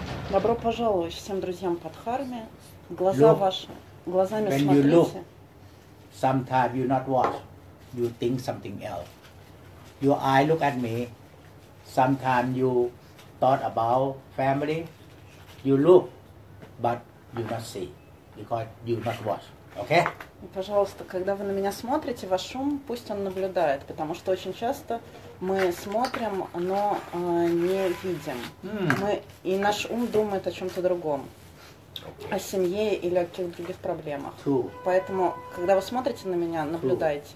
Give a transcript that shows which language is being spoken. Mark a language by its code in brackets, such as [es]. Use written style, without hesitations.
[ru] Добро пожаловать всем друзьям по Дхарме. Глаза [en] look. [ru] Ваши, глазами [en] when [ru] смотрите. [en] When you look, sometimes you not watch, you think something else. Your eye look at me, sometimes you thought about family, you look, but you not see, because you not watch. Okay. [ru] Пожалуйста, когда вы на меня смотрите, ваш ум пусть он наблюдает, потому что очень часто мы смотрим, но не видим. Мы и наш ум думает о чем-то другом, [en] okay. [ru] О семье или о каких-то других проблемах. [en] Two. [ru] Поэтому, когда вы смотрите на меня, наблюдайте.